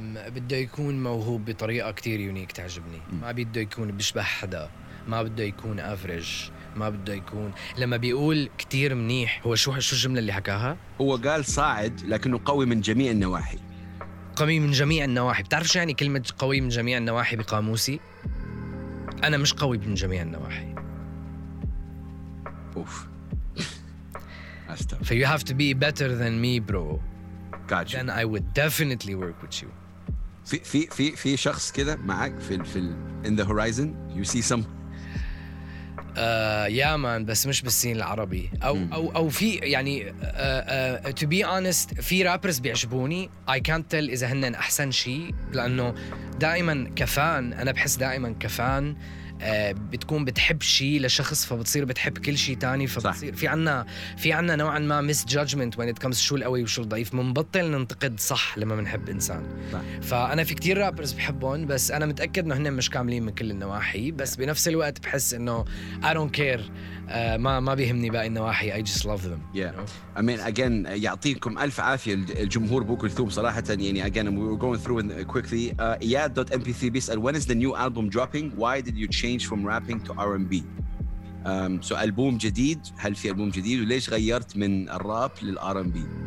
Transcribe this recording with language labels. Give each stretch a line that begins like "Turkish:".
Arabic: بده يكون موهوب بطريقة كتير يونيك تعجبني. ما بده يكون بشبه حدا, ما بده يكون أفرج, ما بده يكون لما بيقول كتير منيح. هو شو الجملة اللي حكاها؟ هو قال صاعد لكنه قوي من جميع النواحي. قوي من جميع النواحي, بتعرف شو يعني كلمة قوي من جميع النواحي بقاموسي؟ أنا مش قوي من جميع النواحي. أوف.
English: So you have to be better than me, bro. Gotcha. Then I would definitely work with you.
Arabic: في في في في شخص كده معك في
English: in the horizon, you see some.
Arabic: Yeah man, بس مش بالسين العربي أو أو أو في يعني
English: to be honest
Arabic: في رابرز بيعجبوني.
English: I can't tell
Arabic: إذا هنن أحسن شيء لأنه دائما كفان, أنا بحس دائما كفان بتكون بتحب شيء لشخص فبتصير بتحب كل شيء تاني فبتصير صح. في عنا نوعا ما
English: miss judgment when it comes
Arabic: شو القوي وشو الضعيف, منبطل ننتقد صح لما منحب إنسان صح. فأنا في كتير رابرز بحبهم بس أنا متأكد إنه هن مش كاملين من كل النواحي, بس بنفس الوقت بحس إنه
English: I don't care,
Arabic: ما بيهمني باقي النواحي,
English: I just love them. Yeah, you know?
Arabic: I mean again يعطيكم ألف عافية الجمهور بو كلثوم صراحة.
English: يعني again we're going through in quickly. Iyad.mpc بيسأل when is the new album dropping, why did you change from rapping to R&B?
Arabic: So album جديد, هل في album جديد وليش غيرت من الراب للR&B؟